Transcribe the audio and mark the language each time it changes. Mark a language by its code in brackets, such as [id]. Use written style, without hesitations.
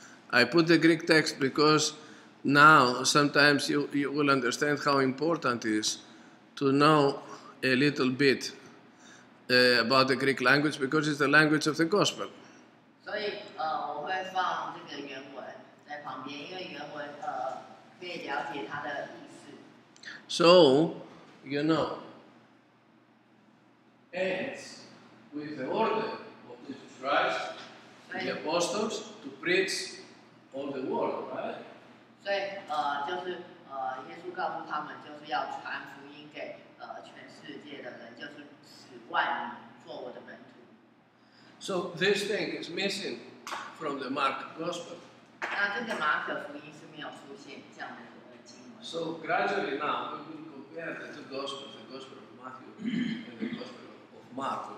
[en] I put the Greek text because now sometimes you will understand how important it is to know a little bit about the Greek language because it's the language of the gospel. [zh] 所以我会放这个原文，在旁边，因为原文可以了解它的意思。 [en] So, you know, ends with the order of the tribes, the apostles to preach all the world, right? [zh] 所以就是耶稣告诉他们，就是要传福音给全世界的人，就是使万民做我的门徒。 [en] So this thing is missing from the Mark Gospel. [zh] 那这个马可福音是没有出现这样的经文。 [en] So gradually now we will compare the two Gospels, the Gospel of Matthew and the Gospel of Mark.